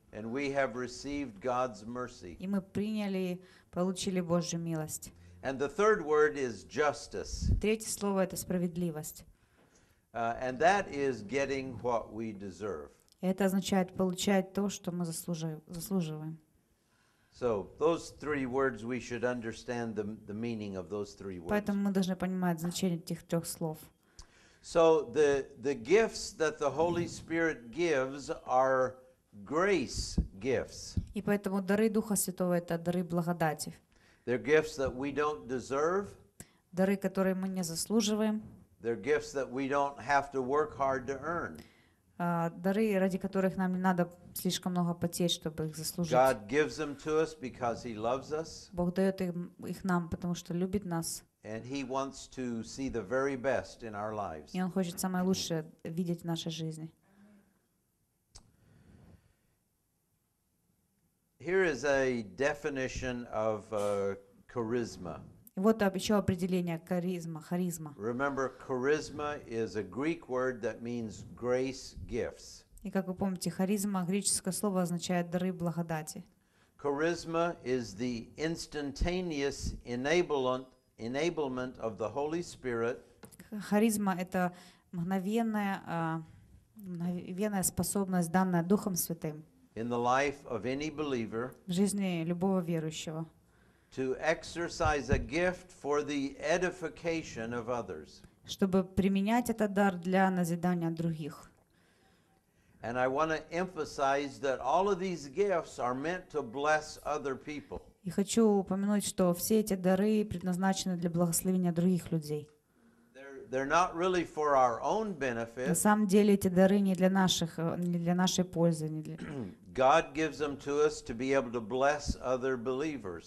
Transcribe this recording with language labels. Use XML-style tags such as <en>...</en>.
<en>And we have received God's mercy.</en> <ru>И мы приняли, получили Божью милость.</ru> <en>And the third word is justice.</en> <ru>Третье слово — это справедливость.</ru> <en>And that is getting what we deserve.</en> <ru>Это означает получать то, что мы заслуживаем.</ru> <en>So those three words, we should understand the meaning of those three words.</en> <ru>Поэтому мы должны понимать значение этих трех слов.</ru> <en>So the gifts that the Holy Spirit gives are grace gifts.</en> <ru>И поэтому дары Духа Святого — это дары благодати.</ru> <en>They're gifts that we don't deserve.</en> <ru>Дары, которые мы не заслуживаем.</ru> <en>They're gifts that we don't have to work hard to earn.</en> <ru>Дары, ради которых нам не надо слишком много потеть, чтобы их заслужить.</ru> <en>God gives them to us because He loves us.</en> <ru>Бог дает их нам, потому что любит нас.</ru> <en>And He wants to see the very best in our lives.</en> <ru>И Он хочет самое лучшее видеть в нашей жизни.</ru> <en>Here is a definition of charisma.</en> <ru>Вот еще определение каризма, харизма.</ru> <en>Remember, charisma is a Greek word that means grace gifts.</en> <ru>И как вы помните, харизма — греческое слово, означает дары благодати.</ru> <en>Charisma is the instantaneous enablement of the Holy Spirit.</en> <ru>Харизма — это мгновенная способность, данная Духом Святым.</ru> <en>In the life of any believer,</en> <ru>в жизни любого верующего,</ru> <en>to exercise a gift for the edification of others,</en> <ru>чтобы применять этот дар для назидания других.</ru> <en>And I want to emphasize that all of these gifts are meant to bless other people.</en> <ru>И хочу упомянуть, что все эти дары предназначены для благословения других людей.</ru> <en>They're not really for our own benefit.</en> <ru>На самом деле эти дары не для нашей пользы.</ru> <en>God gives them to us to be able to bless other believers.</en>